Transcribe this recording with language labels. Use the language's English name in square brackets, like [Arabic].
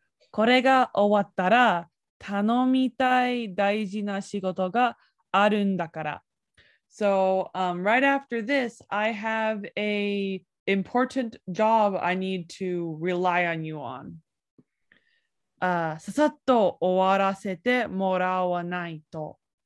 [Japanese] これが終わったら頼みたい大事な仕事があるんだから。 [English] So, right after this, I have a important job I need to rely on you on. [Japanese] ささっと終わらせてもらわないと。